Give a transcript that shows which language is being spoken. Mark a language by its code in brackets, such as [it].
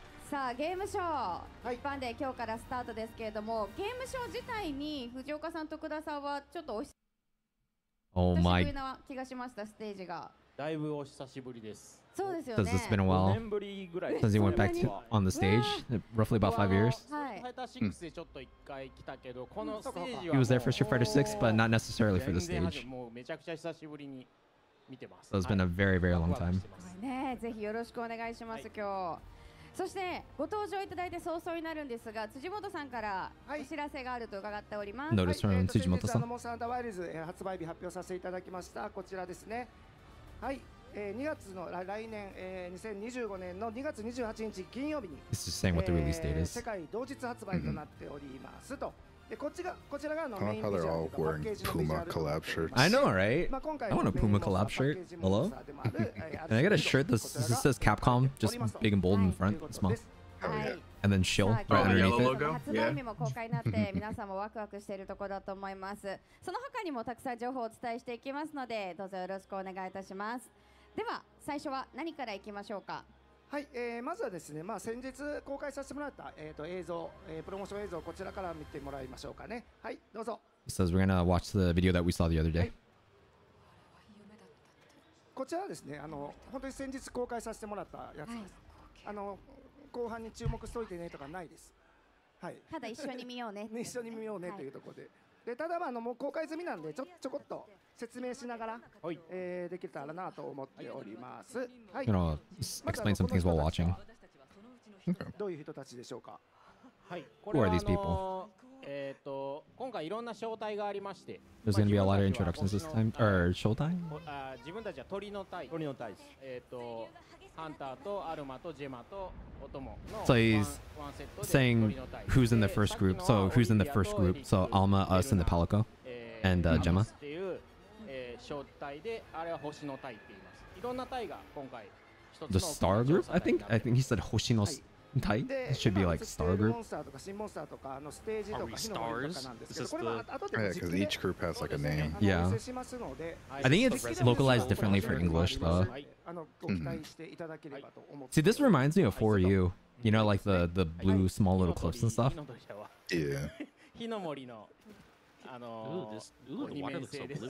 [ja] さあ、ゲームショー、はい、一般で今日からスタートですけれども、ゲームショー自体に藤岡さんと久田さんはちょっとお久しぶりな気がしました。ステージがだいぶお久しぶりです。そうですよね。 5年ぶりぐらい [en] since he went back to, on the stage roughly about 5 years。 [ja] はい、ファイター6でちょっと一回来たけど、このステージは [en] he was there for Street Fighter 6 but not necessarily for the stage。 [ja] もうめちゃくちゃ久しぶりに見てます。 [en] so it's been a very very long time。 [ja] ねえ、ぜひよろしくお願いします、はい、今日。そしてご登場いただいて早々になるんですが、辻元さんからお知らせがあると伺っております。ノルスフォン辻元さん、モンスターハンターワイルズ発売日発表させていただきました。こちらですね、はい、2月の来年、2025年の2月28日金曜日に [en] This is saying what the release date is. [ja] 世界同日発売となっております、mm-hmm. と。でこっちがこちらがのメインビジュアルパッケージのビジュアル。 [en] I know, right? [ja] まあ今回 [en] I want a Puma collab shirt. Hello? And I got a shirt that says Capcom, just big and bold in front. Small. And then Shill right underneath it. [ja] 発売日も公開になって皆さんもワクワクしているところだと思います。その他にもたくさん情報をお伝えしていきますので、どうぞよろしくお願いいたします。では最初は何からいきましょうか。はい、まずはですね、まあ、先日公開させてもらった、映像、プロモーション映像をこちらから見てもらいましょうかね。はい、どうぞ。 [en] He says we're gonna watch the video that we saw the other day. [ja] こちらはですね、本当に先日公開させてもらったやつです。後半に注目しといてねとかないです。はい、ただ一緒に見ようね。一緒に見ようねというところで。でただ、まあ、もう公開済みなんで、ちょこっと。説明しながら、はい、できたらなと思っております。 [en] はい。You know, explain some things while watching. [ja] どういう人たちでしょうか。はい。これは今回いろんな招待がありまして。 [en] There's gonna be a lot of introductions this time. Or 招待？ [ja] 自分たちは鳥の隊。鳥の隊です。ハンターとアルマとジェマとオトモの。 [en] So he's saying who's in the first group. So who's in the first group? So Alma, us, and the Palico, and Gemma. [ja] 招待で、あれは星の隊って言います。いろんな隊が今回一つの [en] The Star Group? I think he said [ja] 星の隊、はい、 [en] It should be like Star Group. [ja] モンスターとか新モンスターとかのステージとか火の鳥とかなんですけど、これは後で [en] Each group has like a name. Yeah. [ja] しますので、 [en] I think it's localized differently for English though. [ja] ご期待していただければと思って。 [en] See, this reminds me of For You. You know, like the blue small little clips and stuff. Yeah. [ja] 火の森の。 [en] Ooh, this, ooh, the water looks so blue.